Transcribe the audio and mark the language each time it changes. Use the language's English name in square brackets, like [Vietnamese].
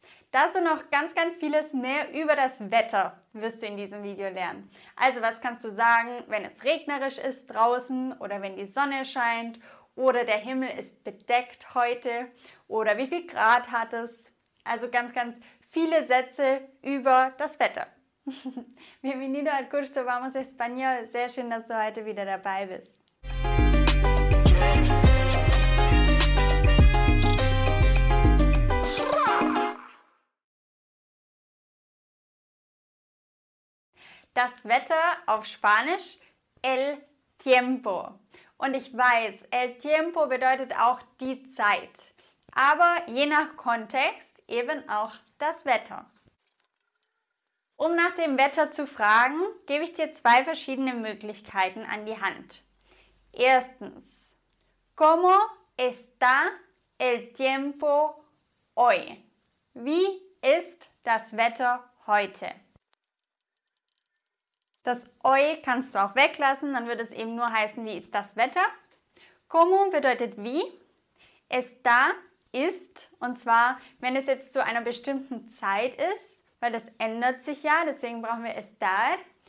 [German] Dazu noch ganz, ganz vieles mehr über das Wetter wirst du in diesem Video lernen. Also was kannst du sagen, wenn es regnerisch ist draußen oder wenn die Sonne scheint oder der Himmel ist bedeckt heute oder wie viel Grad hat es? Also ganz, ganz viele Sätze über das Wetter. [Spanish] Bienvenido al curso Vamos Español. [German] Sehr schön, dass du heute wieder dabei bist. Das Wetter auf Spanisch, [Spanish] el tiempo. [German] Und ich weiß, [Spanish] el tiempo [German] bedeutet auch die Zeit. Aber je nach Kontext eben auch das Wetter. Um nach dem Wetter zu fragen, gebe ich dir zwei verschiedene Möglichkeiten an die Hand. [Spanish] Erstens, ¿Cómo está el tiempo hoy? [German] Wie ist das Wetter heute? Das hoy kannst du auch weglassen, dann würde es eben nur heißen, wie ist das Wetter? ¿Cómo bedeutet wie? Está ist, und zwar, wenn es jetzt zu einer bestimmten Zeit ist, weil das ändert sich ja, deswegen brauchen wir estar.